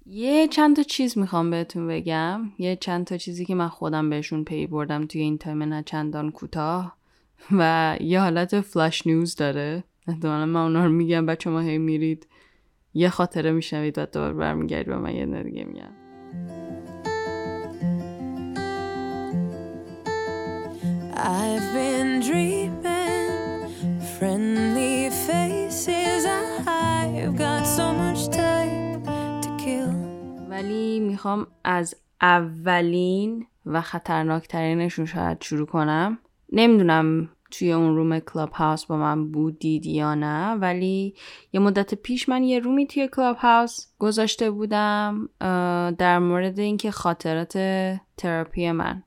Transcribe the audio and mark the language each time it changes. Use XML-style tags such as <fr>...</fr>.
<fa>یه چند تا چیز می خوام بهتون بگم. یه چند تا چیزی که من خودم بهشون پی بردم توی این تایم نه چندان کوتاه و یه حالت فلش نیوز داره. احتمالا من اونا رو میگم بچه ما هی میرید یه خاطره میشنوید و دوباره برمیگردید و من یه ندیگه میگم.</fa> <en>I've been dreaming friendly faces I've got so much time to kill.</en> <fa>ولی میخوام از اولین و خطرناکترینشون شاید شروع کنم. نمیدونم توی اون روم کلاب هاوس با من بودید یا نه، ولی یه مدت پیش من یه رومی توی کلاب هاوس گذاشته بودم در مورد اینکه خاطرات تراپی من.</fa>